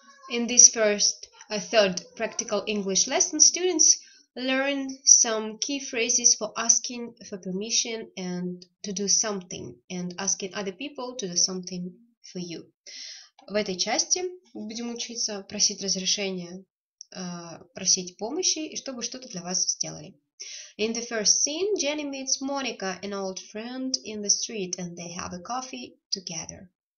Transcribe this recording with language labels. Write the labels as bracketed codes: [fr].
[en] In this first or third practical English lesson, students learn some key phrases for asking for permission and to do something, and asking other people to do something for you. [ru] В этой части будем учиться просить разрешения, просить помощи, и чтобы что-то для вас сделали. [en] In the first scene, Jenny meets Monica, an old friend, in the street, and they have a coffee together.